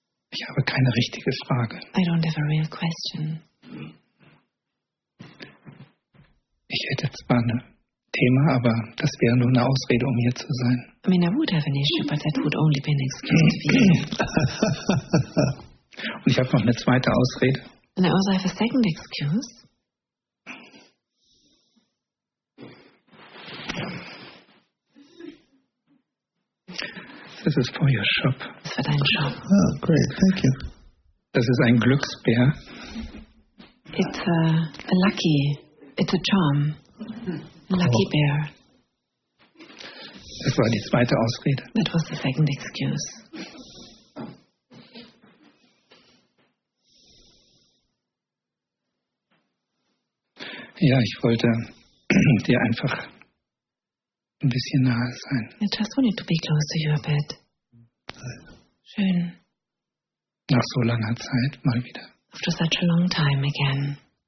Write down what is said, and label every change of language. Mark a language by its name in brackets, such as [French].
[German] Ich habe keine richtige Frage. [English] I don't have a real question. [German] Ich hätte zwar ein Thema, aber das wäre nur eine Ausrede, um hier zu sein. [English] I mean, I would have an issue, but that would only be an excuse to be here. [German] Und ich habe noch eine zweite Ausrede. [English] And I also have a second excuse. This is for your shop. [German] Das war dein Shop. [English] Oh, great, thank you. [German] Das ist ein Glücksbär. [English] It's a lucky, it's a charm. A lucky bear. [German] Das war die zweite Ausrede. [English] That was the second excuse. [German] Ja, ich wollte dir einfach ein bisschen nahe sein. [English] I just wanted to be close to you a bit. [German] Schön. Nach so langer Zeit mal wieder. [English] After such a long time again.